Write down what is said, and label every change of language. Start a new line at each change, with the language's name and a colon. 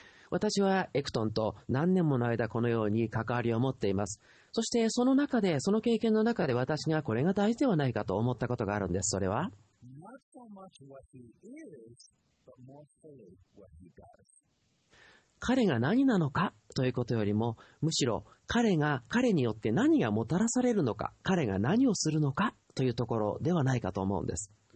Japanese: 私はエクトンと何年もの間このように関わりを持っています。そしてその中で、その経験の中で私がこれが大事ではないかと思ったことがあるんです。それは
English: Not so much what he is, but more fully what he does.
Japanese: 彼が何なのかということよりも、むしろ彼が彼によって何がもたらされるのか、彼が何をするのかというところではないかと思うんです。